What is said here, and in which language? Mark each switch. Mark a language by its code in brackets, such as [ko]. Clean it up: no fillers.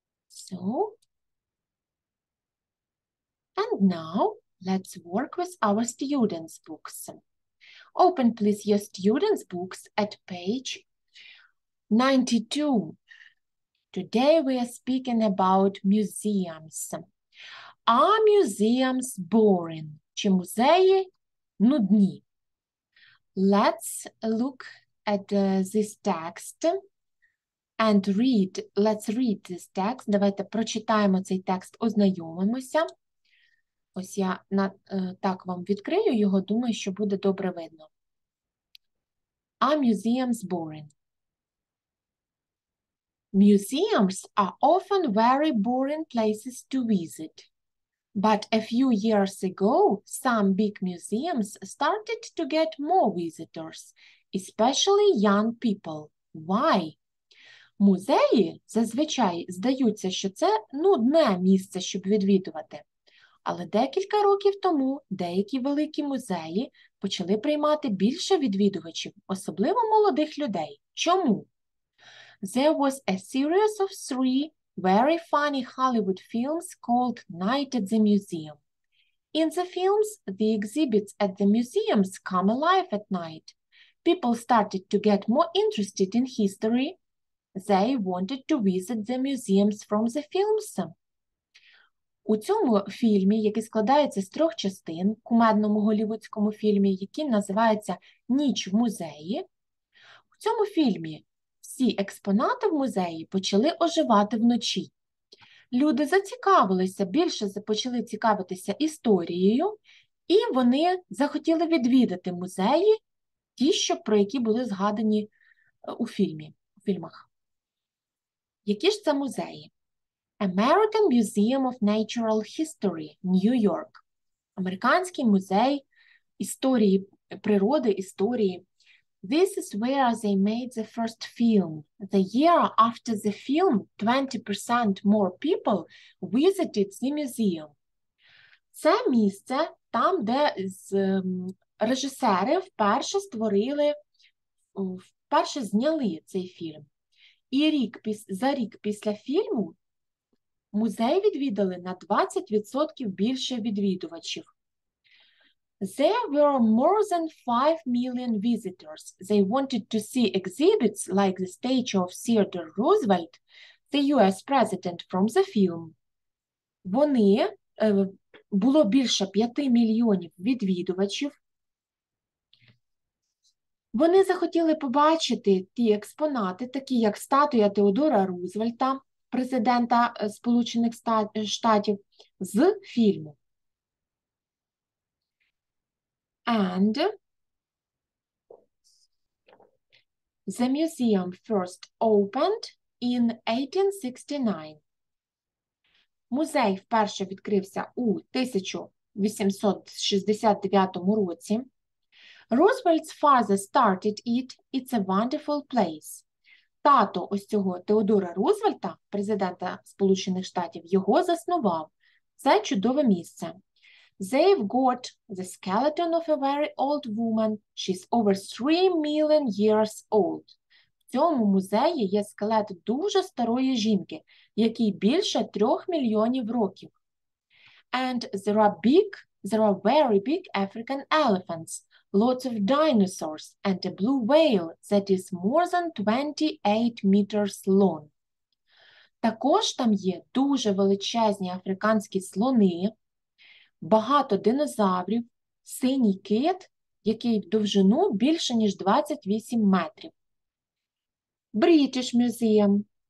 [en] So, and now let's work with our students' books. Open, please, your students' books at page 92. Today we are speaking about museums. Are museums boring? [uk] Чи музеї нудні? [en] Let's look at this text and read. Let's read this text. [uk] Давайте прочитаємо цей текст, ознайомимося. Ось я так вам відкрию його, думаю, що буде добре видно. [en] Are museums boring? Museums are often very boring places to visit. But a few years ago, some big museums started to get more visitors, especially young people. Why? [uk] Музеї зазвичай здаються, що це нудне місце, щоб відвідувати. Але декілька років тому деякі великі музеї почали приймати більше відвідувачів, особливо молодих людей. Чому? [en] There was a series of three very funny Hollywood films called Night at the Museum. In the films, the exhibits at the museums come alive at night. People started to get more interested in history. They wanted to visit the museums from the films. [uk] У цьому фільмі, який складається з трьох частин, кумедному голівудському фільмі, який називається «Ніч в музеї», у цьому фільмі всі експонати в музеї почали оживати вночі. Люди зацікавилися, більше почали цікавитися історією, і вони захотіли відвідати музеї, ті, що, про які були згадані у фільмі, у фільмах. Які ж це музеї? [en] American Museum of Natural History, New York. [uk] Американський музей історії природи, історії. [en] This is where they made the first film. The year after the film, 20% more people visited the museum. [uk] Це місце там, де режисери вперше створили, вперше зняли цей фільм. І рік після фільму музей відвідали на 20% більше відвідувачів. [en] There were more than 5 million visitors. They wanted to see exhibits like the statue of Theodore Roosevelt, the US president from the film. [uk] Вони, було більше 5 мільйонів відвідувачів. Вони захотіли побачити ті експонати, такі як статуя Теодора Рузвельта, президента Сполучених Штатів, з фільму. [en] And the museum first opened in 1869. [uk] Музей вперше відкрився у 1869 році. [en] Roosevelt's father started it. It's a wonderful place. [uk] Тато ось цього Теодора Рузвельта, президента Сполучених Штатів, його заснував. Це чудове місце. [en] They've got the skeleton of a very old woman. She's over 3 million years old. [uk] В цьому музеї є скелет дуже старої жінки, якій більше 3 мільйонів років. [en] And there are very big African elephants. Lots of dinosaurs and a blue whale that is more than 28 meters long. [uk] Також там є дуже величезні африканські слони, багато динозаврів, синій кит, який в довжину більше ніж 28 метрів. [en] British Museum.